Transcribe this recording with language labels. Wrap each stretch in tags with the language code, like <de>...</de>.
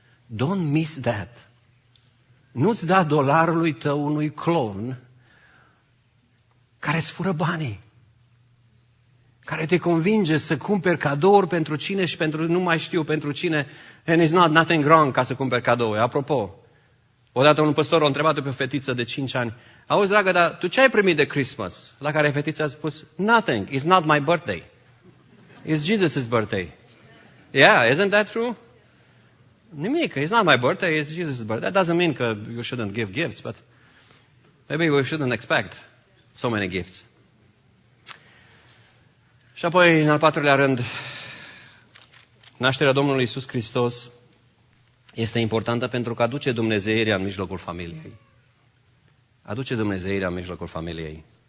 <en>Don't miss that.</en> <ro>Nu-ți da dolarului tău unui clown care îți fură banii, care te convinge să cumperi cadouri pentru cine și pentru, nu mai știu, pentru cine,</ro> <en>and it's not nothing wrong</en> <ro>ca să cumperi cadouri. Apropo, odată un păstor a întrebat pe o fetiță de 5 ani, auzi, dragă, dar tu ce ai primit de Christmas? La care fetița a spus,</ro> <en>nothing, it's not my birthday. It's Jesus' birthday. Yeah, isn't that true?</en> <ro>Nimic,</ro> <en>it's not my birthday, it's Jesus' birthday. That doesn't mean that you shouldn't give gifts, but maybe we shouldn't expect so many gifts.</en> <ro>Și apoi, în al patrulea rând, nașterea Domnului Iisus Hristos este importantă pentru că aduce dumnezeirea în mijlocul familiei. Aduce dumnezeirea în mijlocul familiei.</ro>